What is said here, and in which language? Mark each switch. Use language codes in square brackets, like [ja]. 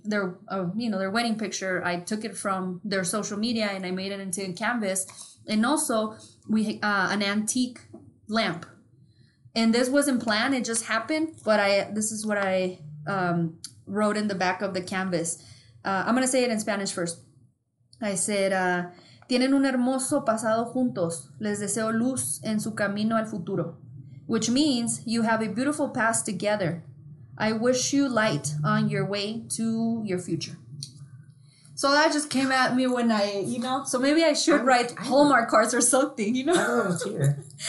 [en] Their wedding picture. I took it from their social media and I made it into a canvas. And also we an antique lamp. And this wasn't planned. It just happened. But this is what I wrote in the back of the canvas. I'm going to say it in Spanish first. I said, [es] tienen un hermoso pasado juntos. Les deseo luz en su camino al futuro. [en] Which means you have a beautiful past together. I wish you light on your way to your future. So that just came at me when I, you know. So maybe I should write Hallmark cards or something, you know. I love it here.